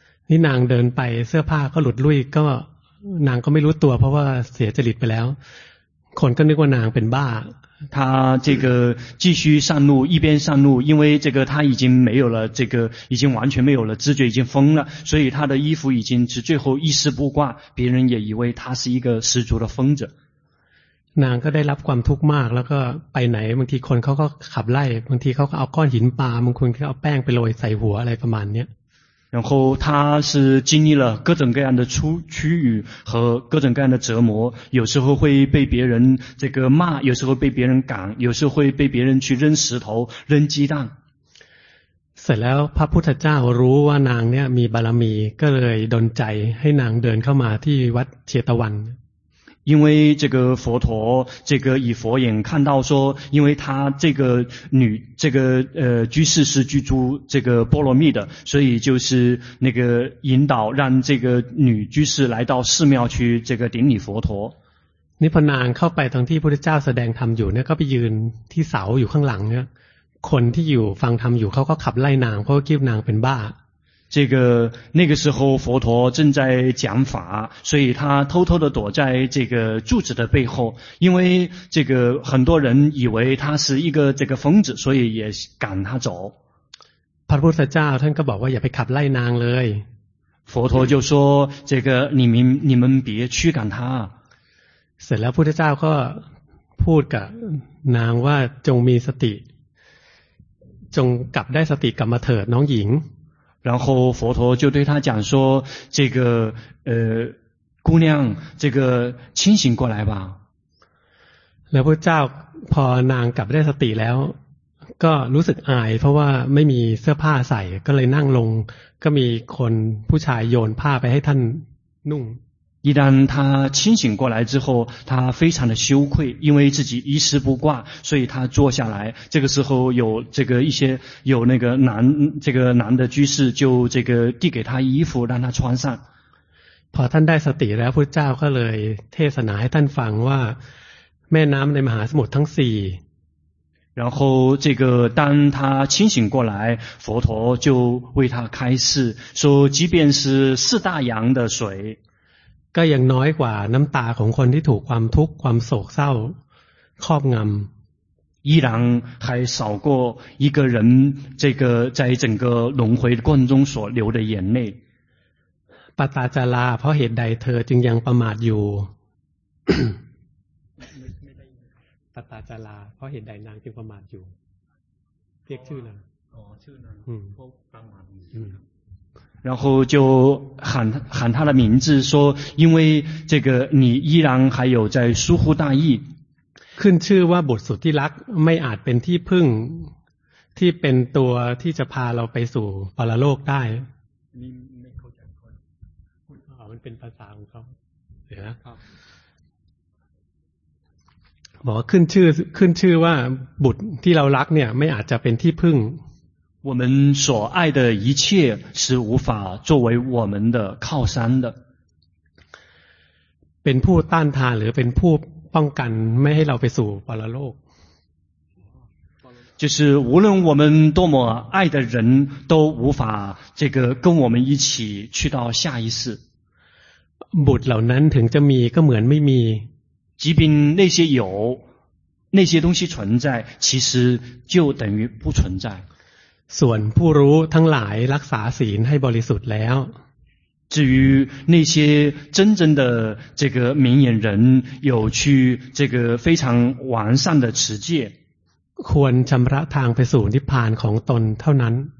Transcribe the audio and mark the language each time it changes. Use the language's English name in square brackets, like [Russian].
[Thai] นี่นางเดินไปเสื้อผ้าก็หลุดลุยก็นางก็ไม่รู้ตัวเพราะว่าเสียจริตไปแล้วคนก็นึกว่านางเป็นบ้า [Chinese] 他这个继续上路一边上路因为这个他已经没有了这个已经完全没有了知觉已经疯了所以他的衣服已经是最后一丝不挂别人也以为他是一个十足的疯子 [Thai] นางก็ได้รับความทุกข์มากแล้วก็ไปไหนบางทีคนเขาก็ขับไล่บางทีเขาก็เอาก้อนหินปาบางคนก็เอาแป้งไปโรยใส่หัวอะไรประมาณเนี้ย [Chinese] 然后他是经历了各种各样的屈辱和各种各样的折磨，有时候会被别人这个骂，有时候被别人赶，有时候会被别人去扔石头、扔鸡蛋。 [Thai] เสร็จแล้วพระพุทธเจ้ารู้ว่านางเนี่ยมีบารมีก็เลยดลใจให้นางเดินเข้ามาที่วัดเชตวัน [Chinese] 因为这个佛陀这个以佛眼看到说因为他这个女这个居士是居住这个波罗蜜的所以就是那个引导让这个女居士来到寺庙去这个顶礼佛陀 [Thai] นี่พอนางเข้าไปตรงที่พุทธเจ้าแสดงธรรมอยู่เนี่ยก็ไปยืนที่เสาอยู่ข้างหลังเนี่ยคนที่อยู่ฟังธรรมอยู่เขาก็ขับไล่นางเพราะว่าคิดนางเป็นบ้า [Chinese] 这个那个时候佛陀正在讲法所以他偷偷的躲在这个柱子的背后因为这个很多人以为他是一个这个疯子所以也赶他走 [Thai] พระพุทธเจ้าท่านก็บอกว่าอย่าไปขับไล่นางเลย [Chinese] 佛陀就说这个你们别驱赶他 [Thai] เสร็จแล้วพุทธเจ้าก็พูดกับนางว่าจงมีสติจงกลับได้สติกลับมาเถิดน้องหญิง [Chinese] 然后佛陀就对他讲说这个姑娘这个清醒过来吧 [Thai] แล้วพระเจ้าพอนางกลับได้สติแล้วก็รู้สึกอายเพราะว่าไม่มีเสื้อผ้าใส่ก็เลยนั่งลงก็มีคนผู้ชายโยนผ้าไปให้ท่านนุ่ง [Chinese] 一旦他清醒过来之后，他非常的羞愧，因为自己衣食不挂，所以他坐下来。这个时候有这个一些有那个男这个男的居士就这个递给他衣服让他穿上。 [Thai] พอท่านได้สติแล้วพระเจ้าก็เลยเทศนาให้ท่านฟังว่าแม่น้ำในมหาสมุทรทั้งสี่ [Chinese] 然后这个当他清醒过来佛陀就为他开示说即便是四大洋的水 [Thai] ก็ยังน้อยกว่าน้ำตาของคนที่ถูกความทุกข์ความโศกเศร้าครอบงำ [Chinese] 依然还少过一个人这个在整个轮回过程中所流的眼泪 [Thai] ปตาจาราเพราะเหตุใดเธอจึงยังประมาทอยู่ปตาจาราเพราะเหตุใดนางจึงประมาทอยู่เรียกชื่อนาง อ๋อชื่อนาง เพราะประมาทอยู่ [Chinese] 然后就喊他的名字说因为这个你依然还有在疏忽大意 [Thai] ขึ้นชื่อว่าบทสุดที่รักไม่อาจเป็นที่พึ่งที่เป็นตัวที่จะพาเราไปสู่ปรโลกได้นี่ไม่เข้าใจคน มันเป็นภาษาของเขาเดี๋ยวนะ ครับ บอกว่าขึ้นชื่อว่าบุตรที่เรารักเนี่ยไม่อาจจะเป็นที่พึ่ง [Chinese] 我们所爱的一切是无法作为我们的靠山的 [Thai] เป็นผู้ต้านทานหรือเป็นผู้ป้องกันไม่ให้เราไปสู่ปรโลก [Chinese] 就是无论我们多么爱的人都无法这个跟我们一起去到下一世 [Thai] บุตรเหล่านั้นถึงจะมีก็เหมือนไม่มี [Chinese] 即便那些有那些东西存在其实就等于不存在 [Thai] ส่วนผู้รู้ทั้งหลายรักษาศีลให้บริสุทธิ์แล้ว [Chinese] 至于那些真正的这个明眼人有去这个非常完善的持戒 [Thai] ควรชำระทางไปสู่นิพพานของตนเท่านั้น